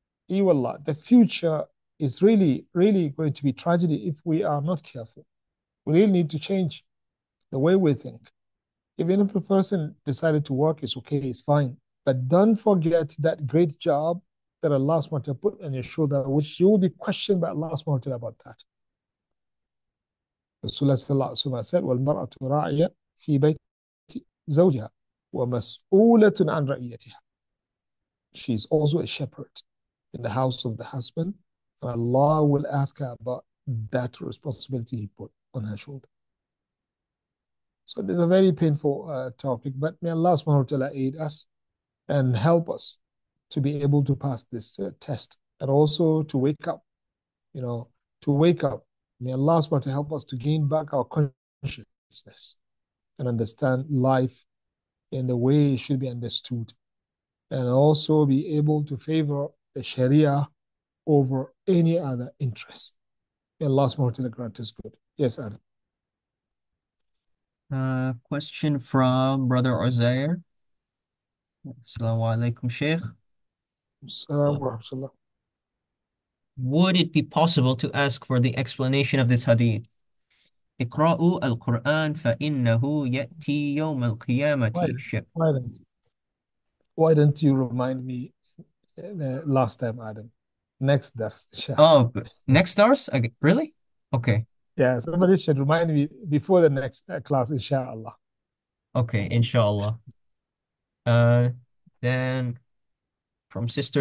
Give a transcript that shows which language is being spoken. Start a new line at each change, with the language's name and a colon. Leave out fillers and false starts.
English: Iwallah, the future is really, really going to be tragedy if we are not careful. We really need to change the way we think. Even if a person decided to work, it's okay, it's fine. But don't forget that great job that Allah SWT put on your shoulder, which you will be questioned by Allah SWT about that.
Arabic: Rasulullah sallallahu alayhi wa sallam said, وَالْمَرْأَةُ رَاعِيَةٌ فِي بَيْتِ زَوْجِهَا وَمَسْؤُولَةٌ عَنْ رَعِيَتِهَا.
English: She's also a shepherd in the house of the husband. And Allah will ask her about that responsibility he put on her shoulder. So this is a very painful topic, but may Allah subhanahu wa ta'ala aid us and help us to be able to pass this test, and also to wake up, you know, to wake up. May Allah subhanahu wa ta'ala help us to gain back our consciousness and understand life in the way it should be understood, and also be able to favor the Sharia over any other interest. May Allah subhanahu wa ta'ala grant us good. Yes, Adam. Question from Brother Ozair.
Arabic: السلام عليكم شيخ. السلام ورحمة الله.
English: Would it be possible to ask for the explanation of this hadith?
Arabic: اقرأوا القرآن فإنه يأتي يوم القيامة شيخ.
English: Why don't you remind me last time, Adam? Next درس inshallah. Oh, next stars? Really? Okay. Yeah, somebody should remind me before the next class, inshallah. Okay, inshallah. Then from Sister